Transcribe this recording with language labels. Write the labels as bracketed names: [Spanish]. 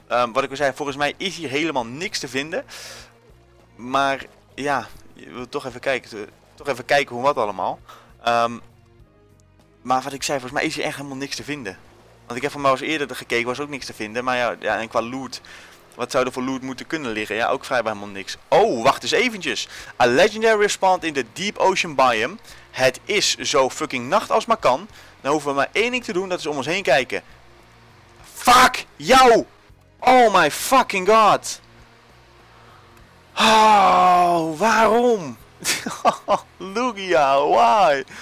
[Dutch] Wat ik al zei, volgens mij is hier helemaal niks te vinden. Maar ja, je wilt toch even kijken. Toch even kijken hoe wat allemaal. Maar wat ik zei, volgens mij is hier echt helemaal niks te vinden. Want ik heb van mij al eens eerder gekeken, was ook niks te vinden. Maar ja, en qua loot... Wat zou er voor loot moeten kunnen liggen? Ja, ook vrijwel helemaal niks. Oh, wacht eens eventjes. [English] A legendary spawned in the deep ocean biome. [Dutch] Het is zo fucking nacht als maar kan. Dan hoeven we maar één ding te doen, dat is om ons heen kijken. [English] Fuck jou! Oh my fucking god! [Dutch] Oh, waarom? Lugia, why?